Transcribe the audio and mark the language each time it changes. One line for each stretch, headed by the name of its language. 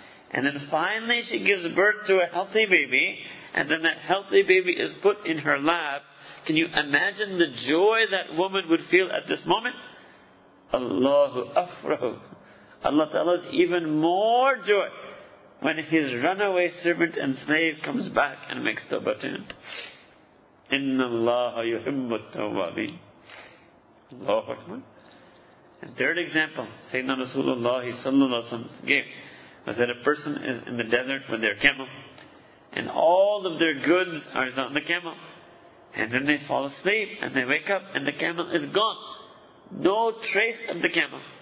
English: And then finally she gives birth to a healthy baby, and then that healthy baby is put in her lap. Can you imagine the joy that woman would feel at this moment?
Arabic: Allahu afrahu.
English: Allah ta'ala is even more joy when His runaway servant and slave comes back and makes tawbah to Him.
Arabic: إِنَّ اللَّهَ يُحِبُّ التَّوَّابِينَ Allahu Akbar.
English: And third example, Sayyidina Rasulullah sallallahu alayhi wa sallam gave, was that a person is in the desert with their camel, and all of their goods are on the camel. And then they fall asleep, and they wake up, and the camel is gone. No trace of the camel.